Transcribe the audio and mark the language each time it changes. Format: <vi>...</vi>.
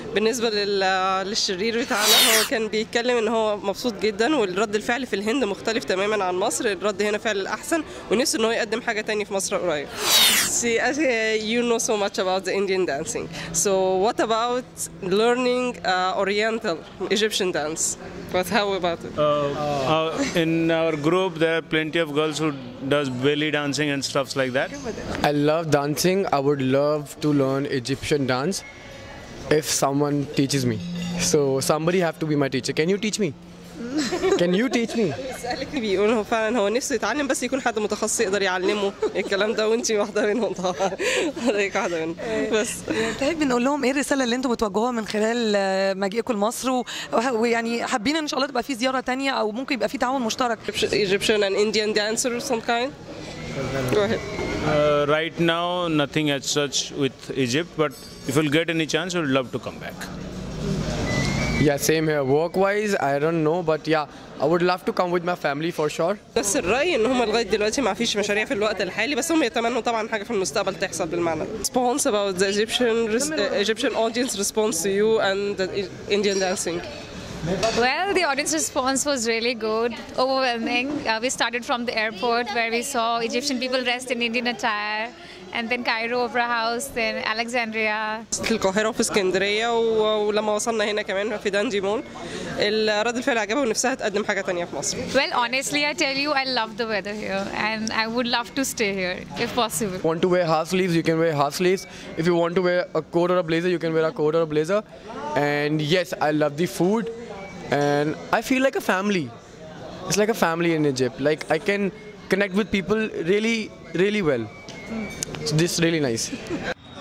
<ar>بالنسبه للشرير بتاعنا هو كان بيتكلم ان هو مبسوط جدا والرد الفعل في الهند مختلف تماما عن مصر. الرد هنا فعلا احسن ونفسه ان هو يقدم حاجه تاني في مصر قريب.</ar> <en>See, as you know so much about the Indian dancing, so what about learning Oriental Egyptian dance? But how about it? In our group, there are plenty of girls who does belly dancing and stuff like that. I love dancing. I would love to learn Egyptian dance if someone teaches me. So somebody have to be my teacher. Can you teach me? Can you teach me?</en> <ar>بيقول هو فعلا هو نفسه يتعلم بس يكون حد متخصص يقدر يعلمه الكلام ده وانتي واحده منهم طبعا حضرتك واحده منهم بس طيب بنقول لهم ايه الرساله اللي انتم بتوجهوها من خلال مجيئكم لمصر ويعني حابين ان شاء الله تبقى في زياره ثانيه او ممكن يبقى في تعاون مشترك</ar> <en>Egyptian and Indian dancer of some kind Go ahead. Right now nothing as such with Egypt but if we'll get any chance we'd love to come back Yeah, same here. Work-wise, I don't know, but yeah, I would love to come with my family for sure.</en> <ar>بس الرأي إن هم لغاية دلوقتي ما فيش مشاريع في الوقت الحالي بس هم يتمنوا طبعا حاجة في المستقبل تحصل بالمعنى.</ar> <en>Response about the Egyptian audience response to you and the Indian dancing. Well, the audience response was really good, overwhelming. We started from the airport where we saw Egyptian people dressed in Indian attire. And then Cairo Opera House, then Alexandria.</en> <ar>القاهرة في اسكندرية ولما وصلنا هنا كمان في دانجي مول الرد الفعل عجبها ونفسها تقدم حاجة تانية في مصر.</ar> <en>Well, honestly, I tell you, I love the weather here and I would love to stay here if possible. Want to wear half sleeves, you can wear half sleeves. If you want to wear a coat or a blazer, you can wear a coat or a blazer. And yes, I love the food and I feel like a family. It's like a family in Egypt. Like I can connect with people really, really well. So this is really nice.</en>